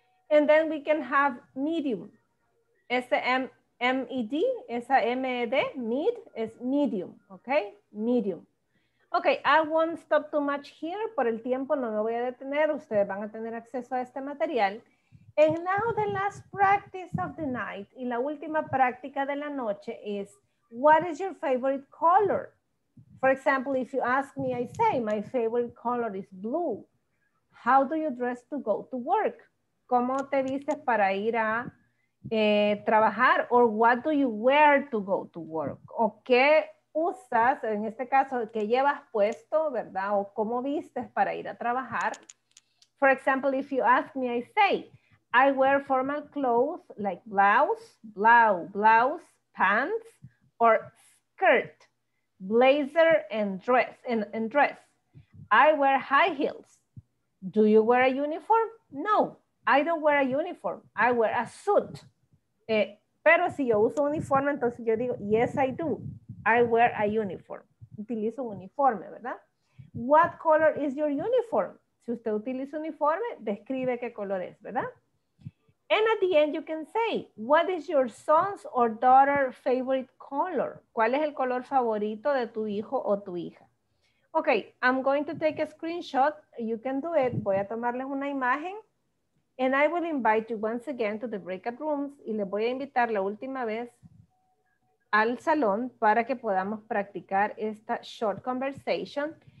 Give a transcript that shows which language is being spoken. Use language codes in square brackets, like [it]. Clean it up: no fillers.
[en] And then we can have medium. [es] S-M-E-D, esa M-E-D, mid, es medium, ¿ok? Medium. [en] Ok, I won't stop too much here. [es] Por el tiempo no me voy a detener. Ustedes van a tener acceso a este material. [en] And now the last practice of the night. [es] Y la última práctica de la noche [en] is, what is your favorite color? For example, if you ask me, I say, my favorite color is blue. How do you dress to go to work? [es] ¿Cómo te vistes para ir a trabajar? [en] Or what do you wear to go to work? [es] ¿O qué usas, en este caso, qué llevas puesto, verdad? ¿O cómo vistes para ir a trabajar? [en] For example, if you ask me, I say, I wear formal clothes like blouse, pants, or skirt, blazer, and dress. I wear high heels. Do you wear a uniform? No, I don't wear a uniform. I wear a suit. [es] Pero si yo uso uniforme, entonces yo digo, [en] yes, I do. I wear a uniform. [es] Utilizo un uniforme, ¿verdad? [en] What color is your uniform? [es] Si usted utiliza uniforme, describe qué color es, ¿verdad? [en] And at the end you can say, what is your son's or daughter's favorite color? [es] ¿Cuál es el color favorito de tu hijo o tu hija? [en] Ok, I'm going to take a screenshot. You can do it. [es] Voy a tomarles una imagen. [en] And I will invite you once again to the breakout rooms. [es] Y les voy a invitar la última vez al salón para que podamos practicar esta [en] short conversation.